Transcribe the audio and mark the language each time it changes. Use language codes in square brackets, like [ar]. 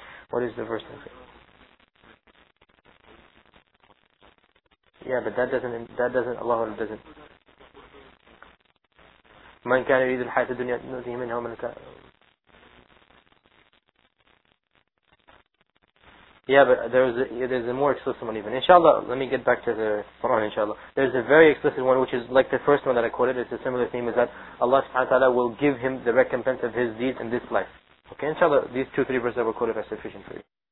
[en] What is the verse? Yeah, but that doesn't Allah doesn't. [ar] من كان يريد الحياة الدنيا نؤتيه منها ومن كان. [en] Yeah, but there's a more explicit one even. Inshallah, let me get back to the Quran, inshallah. There's a very explicit one, which is like the first one that I quoted. It's a similar theme, is that Allah subhanahu wa ta'ala will give him the recompense of his deeds in this life. Okay, inshallah, these two, three verses that were quoted are sufficient for you.